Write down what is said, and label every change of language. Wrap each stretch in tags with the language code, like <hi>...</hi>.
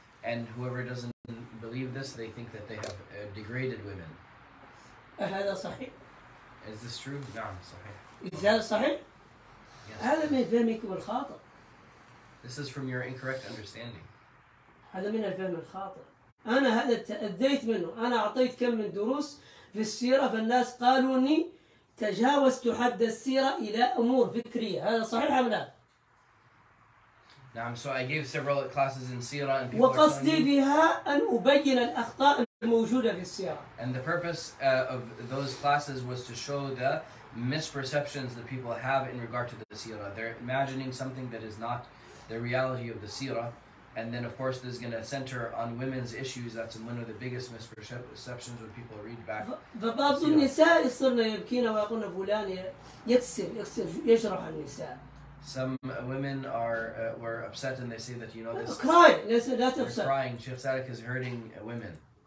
<en>And whoever doesn't believe this, they think that they have degraded women. Is this true?</en> <ar>نعم, صحيح.</ar> <en>Is that</en> <ar>صحيح?</ar> <en>Yes. This is from your incorrect understanding.</en> <ar>هذا من الفهم الخاطئ. أنا هذا تأذيت منه. أنا أعطيت كم من دروس في السيرة فالناس قالوا إني تجاوزت حد السيرة إلى أمور فكرية. هذا صحيح أم لا؟</ar> <en>نعم, so I gave several classes in Sira and</en> <ar>وقصدي بها أن أبين الأخطاء الموجودة في السيرة.</ar> <en>And the purpose of those classes was to show the misperceptions that people have in regard to the Sira. They're imagining something that is not the reality of the Sira. And then of course this is going to center on women's issues. That's one of the biggest misperceptions when people read back.</en> <ar>فبعض النساء صرنا يبكين ويقولن فلان يكسر يجرح النساء.</ar> <en>Some women were upset and they say that, this is crying. Sheikh Sadiq is hurting women.</en>